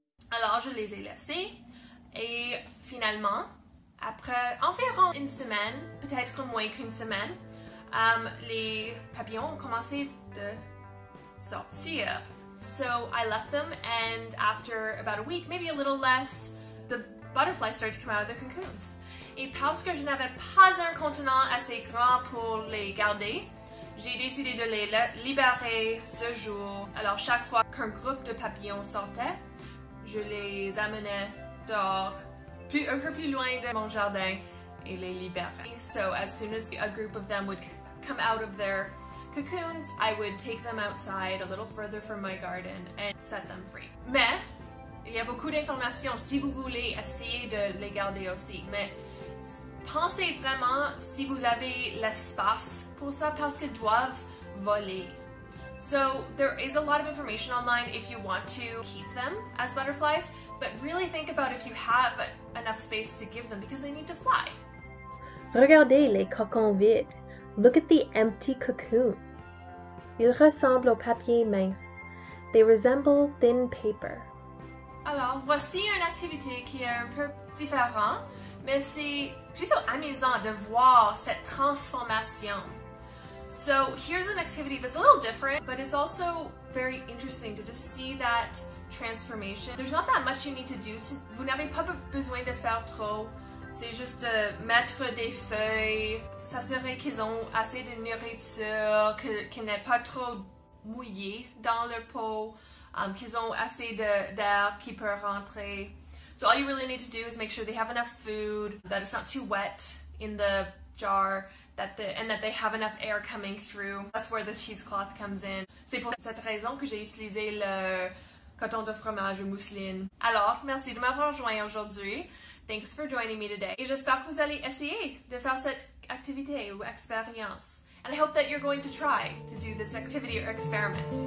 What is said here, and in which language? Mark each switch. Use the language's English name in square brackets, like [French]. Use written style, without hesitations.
[French] Alors, je les ai laissés et finalement, après environ une semaine, peut-être moins qu'une semaine, les papillons ont commencé de sortir. [English] So I left them, and after about a week, maybe a little less, the butterflies started to come out of the cocoons. [French] Et parce que je n'avais pas un contenant assez grand pour les garder, j'ai décidé de les libérer ce jour. Alors chaque fois qu'un groupe de papillons sortait, je les amenais dehors, un peu plus loin de mon jardin, et les libérais. [English] So as soon as a group of them would come out of their cocoons, I would take them outside a little further from my garden and set them free. [French] Mais, il y a beaucoup d'informations si vous voulez essayer de les garder aussi. Mais pensez vraiment si vous avez l'espace pour ça parce qu'ils doivent voler. [English] So there is a lot of information online if you want to keep them as butterflies, but really think about if you have enough space to give them because they need to fly. [French] Regardez les cocons vides. [English] Look at the empty cocoons. [French] Ils ressemblent au papier mince. [English] They resemble thin paper. [French] Alors, voici une activité qui est un peu différente, mais c'est plutôt amusant de voir cette transformation. [English] So, here's an activity that's a little different, but it's also very interesting to just see that transformation. There's not that much you need to do. [French] Vous n'avez pas besoin de faire trop. C'est juste de mettre des feuilles, s'assurer qu'ils ont assez de nourriture, qu'ils n'aient pas trop mouillé dans leur peau, qu'ils ont assez d'air qui peut rentrer. [English] So all you really need to do is make sure they have enough food, that it's not too wet in the jar, that they have enough air coming through. That's where the cheesecloth comes in. [French] C'est pour cette raison que j'ai utilisé le coton de fromage ou mousseline. Alors, merci de m'avoir rejoint aujourd'hui. [English] Thanks for joining me today. [French] Et j'espère que vous allez essayer de faire cette activité ou expérience. [English] And I hope that you're going to try to do this activity or experiment.